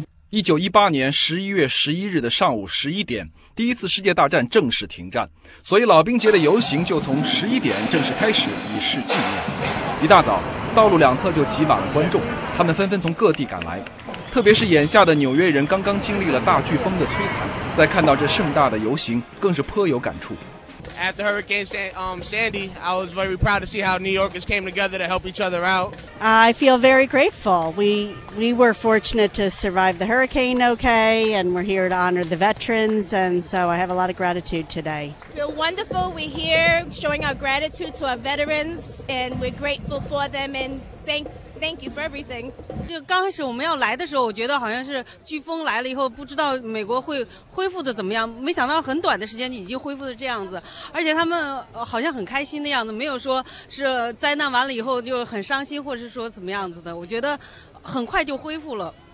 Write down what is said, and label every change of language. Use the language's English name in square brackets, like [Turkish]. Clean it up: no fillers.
[Chinese] 1918年11月11日的上午11点，第一次世界大战正式停战，所以老兵节的游行就从11点正式开始，以示纪念。一大早，道路两侧就挤满了观众，他们纷纷从各地赶来。特别是眼下的纽约人刚刚经历了大飓风的摧残，在看到这盛大的游行，更是颇有感触。 [English] After Hurricane Sandy, I was very proud to see how New Yorkers came together to help each other out. I feel very grateful. We were fortunate to survive the hurricane okay, and we're here to honor the veterans, and so I have a lot of gratitude today. We're wonderful. We're here showing our gratitude to our veterans, and we're grateful for them and thank you for everything. [Chinese] 就刚开始我们要来的时候，我觉得好像是飓风来了以后，不知道美国会恢复的怎么样。没想到很短的时间已经恢复的这样子，而且他们好像很开心的样子，没有说是灾难完了以后就很伤心，或者是说怎么样子的。我觉得很快就恢复了。